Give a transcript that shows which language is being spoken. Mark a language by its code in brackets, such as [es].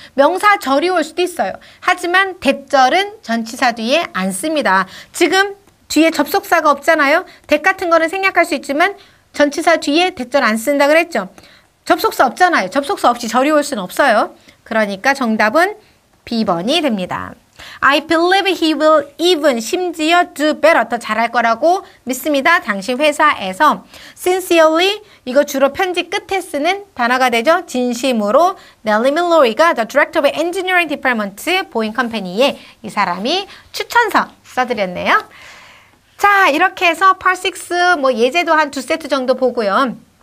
[ko] 명사 절이 올 수도 있어요. 하지만 대절은 전치사 뒤에 안 씁니다. 지금 뒤에 접속사가 없잖아요. 대 같은 거는 생략할 수 있지만 전치사 뒤에 대절 안 쓴다 그랬죠. 접속사 없잖아요. 접속사 없이 절이 올 수는 없어요. 그러니까 정답은 B번이 됩니다. [en] I believe he will even, [ko] 심지어 [en] do better, [ko] 더 잘할 거라고 믿습니다. 당신 회사에서 sincerely, 이거 주로 편지 끝에 쓰는 단어가 되죠. 진심으로 Nelly Mallory가 [en] the director of engineering department, [ko] 보잉 컴퍼니에 이 사람이 추천서 써드렸네요. 자, 이렇게 해서 part 6 뭐 예제도 한 두 세트 정도 보고요.